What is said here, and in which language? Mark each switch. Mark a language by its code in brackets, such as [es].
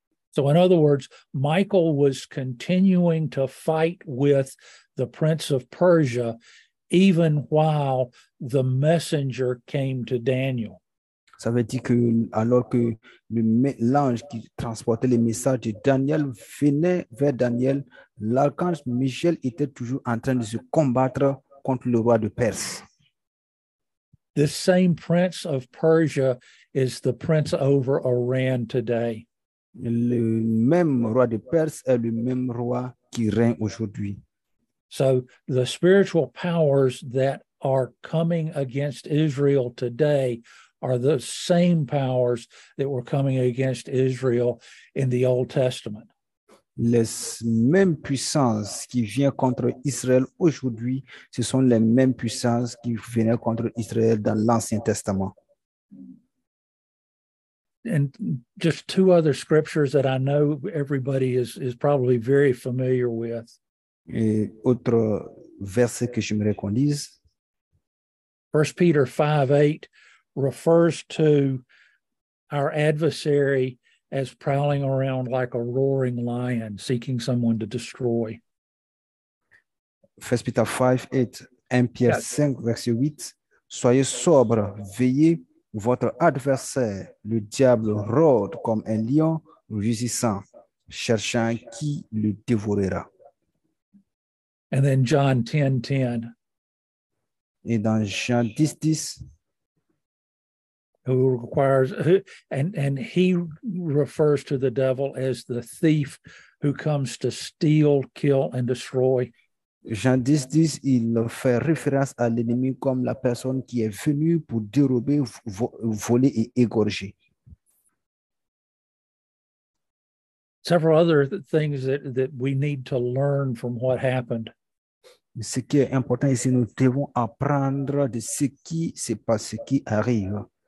[en] So, in other words, Michael was continuing to fight with the prince of Persia even while the messenger came to Daniel. [fr] Ça veut dire que alors que l'ange qui transportait les messages de Daniel venait vers Daniel, l'archange Michel était toujours en train de se combattre contre le roi de Perse. [en] The same prince of Persia is the prince over Iran today. [fr] Le même roi de Perse est le même roi qui règne aujourd'hui. [en] So the spiritual powers that are coming against Israel today are the same powers that were coming against Israel in the Old Testament. [fr] Les mêmes puissances qui viennent contre Israël aujourd'hui, ce sont les mêmes puissances qui venaient contre Israël dans l'Ancien Testament. [en] And just two other scriptures that I know everybody is probably very familiar with. [fr] Et autre verset que j'aimerais qu'on lise. [en] 1 Peter 5:8 refers to our adversary as prowling around like a roaring lion, seeking someone to destroy. 1 Peter 5:8, [fr] 1 Pierre [en] Yeah. [fr] 5, verset 8. Soyez sobre, veillez, votre adversaire, le diable, rôde comme un lion rugissant, cherchant qui le dévorera. [en] And then John 10:10, [fr] Et dans Jean 10:10, [en] who requires, and he refers to the devil as the thief who comes to steal, kill, and destroy. [fr] Jean 10:10, il fait référence à l'ennemi comme la personne qui est venue pour dérober, voler et égorger. [en] Several other things that we need to learn from what happened. [fr] Ce qui est important ici, nous devons apprendre de ce qui se passe, ce qui arrive.